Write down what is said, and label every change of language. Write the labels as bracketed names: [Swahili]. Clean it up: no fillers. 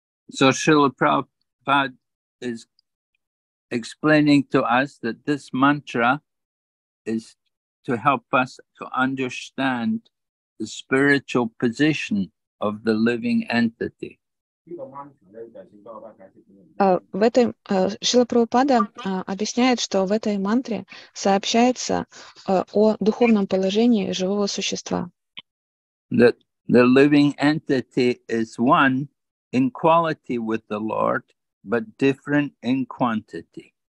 [English] So Srila Prabhupada is explaining to us that this mantra is to help us to understand the spiritual position of the living entity. [Russian] В этой Шрила Прабхупада объясняет, что в этой мантре сообщается о духовном положении живого существа. [English] The living entity is one in quality with the Lord, but different in quantity.